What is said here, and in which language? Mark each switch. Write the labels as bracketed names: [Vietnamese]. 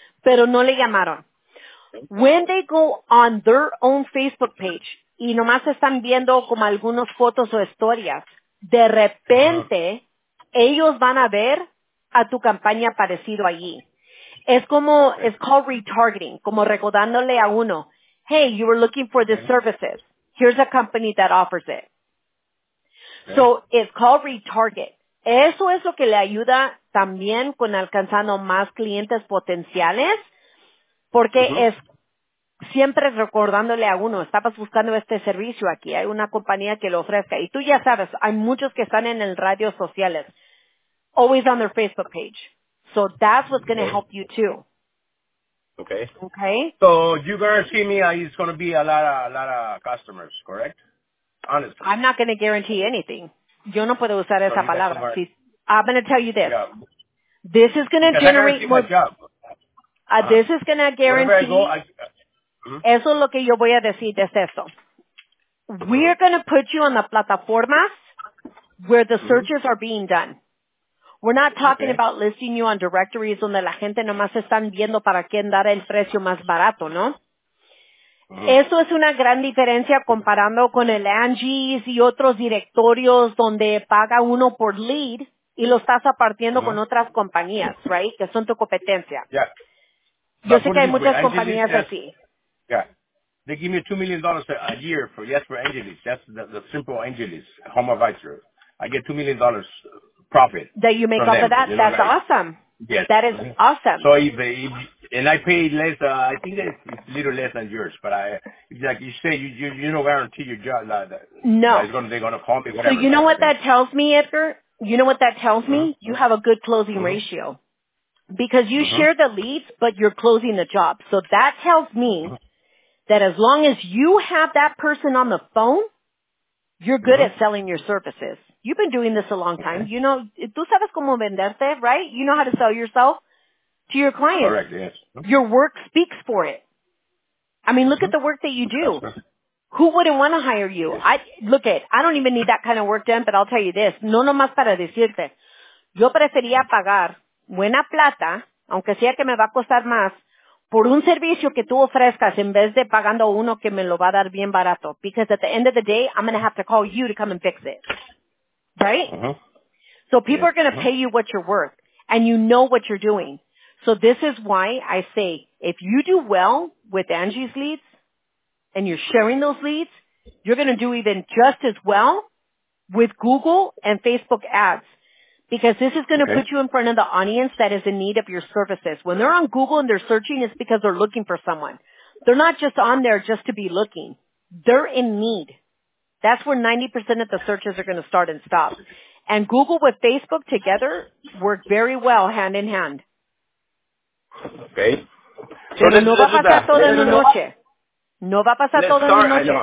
[Spanish] Pero no le llamaron. [English] When they go on their own Facebook page [Spanish] y nomás están viendo como algunas fotos o historias, de repente ellos van a ver a tu campaña parecido allí. Es como, [English] it's called retargeting, [Spanish] como recordándole a uno, [English] hey, you were looking for these services. Here's a company that offers it. So, it's called retarget. [Spanish] Eso es lo que le ayuda también con alcanzando más clientes potenciales, porque es siempre recordándole a uno, estabas buscando este servicio aquí, hay una compañía que lo ofrezca. Y tú ya sabes, hay muchos que están en el radio sociales, [English] always on their Facebook page. So, that's what's going to help you too. Okay. Okay. So, you guarantee me it's going to be a lot of customers, correct? Honestly. I'm not going to guarantee anything. [Spanish] Yo no puedo usar esa palabra. [English] See, I'm going to tell you this. Yeah. This is going to generate more. This is going to guarantee. Go, [Spanish] eso es lo que yo voy a decir de esto. [English] We are going to put you on the plataformas where the searches are being done. We're not talking about listing you on directories [Spanish] donde la gente nomás están viendo para quién dar el precio más barato, ¿no? Eso es una gran diferencia comparando con el Angie's y otros directorios donde paga uno por lead y lo estás apartiendo con otras compañías, right? Que son tu competencia. [English] Yeah. [Spanish] Yo sé que hay muchas compañías así. [English] Yeah. They give me $2 million a year for Angie's. That's the simple Angie's, Home Advisor. I get $2 million profit. That you make off of that? You that's awesome. Yes. That is awesome. So I pay less, I think it's a little less than yours, but like you say, you don't guarantee your job. No. They're going to call me, whatever. So you know what that tells me, Edgar? You know what that tells me? You have a good closing ratio. Because you share the leads, but you're closing the job. So that tells me that as long as you have that person on the phone, you're good at selling your services. You've been doing this a long time. Okay. You know, [Spanish] tú sabes cómo venderte, [English] right? You know how to sell yourself to your clients. Correct, yes. Your work speaks for it. I mean, look at the work that you do. Who wouldn't want to hire you? Yes. I don't even need that kind of work done, but I'll tell you this. [Spanish] No nomás para decirte. Yo prefería pagar buena plata, aunque sea que me va a costar más, por un servicio que tú ofrezcas en vez de pagando uno que me lo va a dar bien barato. [English] Because at the end of the day, I'm going to have to call you to come and fix it. Right? Uh-huh. So people are going to pay you what you're worth, and you know what you're doing. So this is why I say, if you do well with Angie's leads and you're sharing those leads, you're going to do even just as well with Google and Facebook ads, because this is going to put you in front of the audience that is in need of your services. When they're on Google and they're searching, it's because they're looking for someone. They're not just on there just to be looking. They're in need. That's where 90% of the searches are going to start and stop. And Google with Facebook together work very well hand in hand. Okay. [Spanish] No va a pasar todo en la noche.